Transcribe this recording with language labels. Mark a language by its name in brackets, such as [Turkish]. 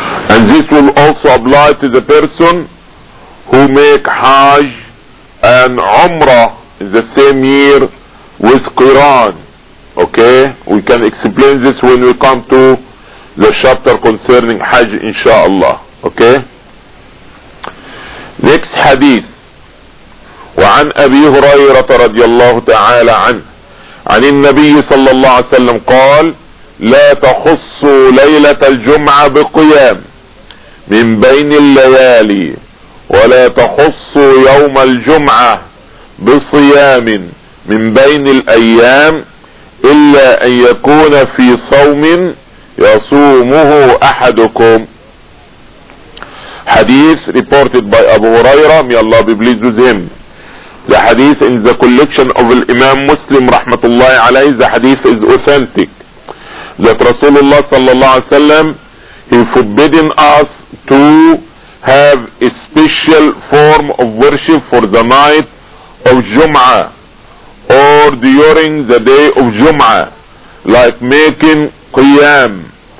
[English] And this will also apply to the person who make Hajj and Umrah in the same year with Quran. Okay, we can explain this when we come to the chapter concerning Hajj inshallah. Okay, next hadith. [Arabic] وعن أبي هريرة رضي الله تعالى عنه عن النبي صلى الله عليه وسلم قال لا تخصوا ليلة الجمعة بقيام من بين الليالي ولا تخصوا يوم الجمعة بصيام من بين الأيام إلا أن يكون في صوم يصومه أحدكم. [English] Hadith reported by Abu Huraira, may Allah be pleased with him. The hadith in the collection of Imam Muslim rahmatullahi alayhi, the hadith is authentic that Rasulullah sallallahu alayhi wa sallam, he forbidden us to have a special form of worship for the night of Jum'ah or during the day of Jum'ah, like making qiyam,